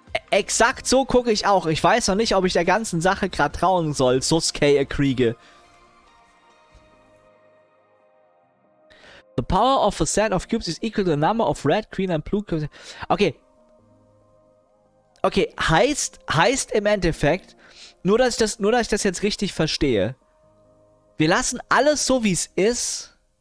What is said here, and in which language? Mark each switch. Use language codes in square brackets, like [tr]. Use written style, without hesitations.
[de] Exakt so gucke ich auch. Ich weiß noch nicht, ob ich der ganzen Sache gerade trauen soll, Sosuke Akrige. [en] The power of a set of cubes is equal to the number of red, green and blue cubes. Okay. [de] Okay, heißt im Endeffekt, nur dass ich das jetzt richtig verstehe. Wir lassen alles so, wie es ist.